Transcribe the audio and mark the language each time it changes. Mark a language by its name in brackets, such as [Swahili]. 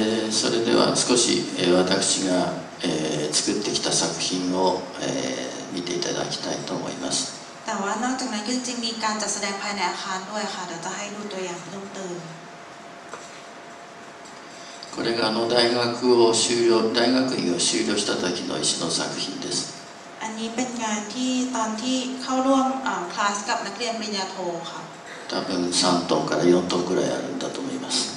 [Japanese] それでは少し私が作ってきた作品を見ていただきたいと思います [Thai] แต่ว่านอกจากนั้นจริงๆมีการจัดแสดงภายในอาคารด้วยค่ะเดี๋ยวจะให้ดูตัวอย่างเพิ่มเติม [Japanese] これが大学を修了大学院を修了した時の石の作品です [Thai] อันนี้เป็นงานที่ตอนที่เข้าร่วมคลาสกับนักเรียนปริญญาโทค่ะ [Japanese] 多分3トンから4トンくらいあるんだと思います